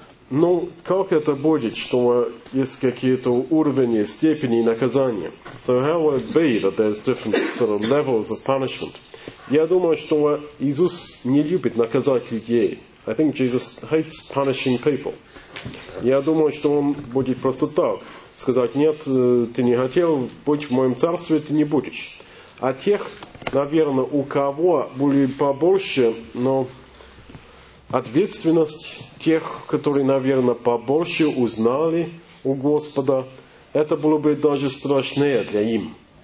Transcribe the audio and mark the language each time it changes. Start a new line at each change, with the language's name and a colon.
Russian: Но как это будет, что есть какие-то уровни, степени наказания?
English: So how will it be that there's different sort of levels of punishment?
Russian: Я думаю, что Иисус не любит наказать людей.
English: I think Jesus hates punishing people.
Russian: Я думаю, что он будет просто так сказать, нет, ты не хотел быть в моем царстве, ты не будешь. А тех, наверное, у кого были побольше, но ответственность тех, которые, наверное, побольше узнали у Господа, это было бы даже страшнее для им.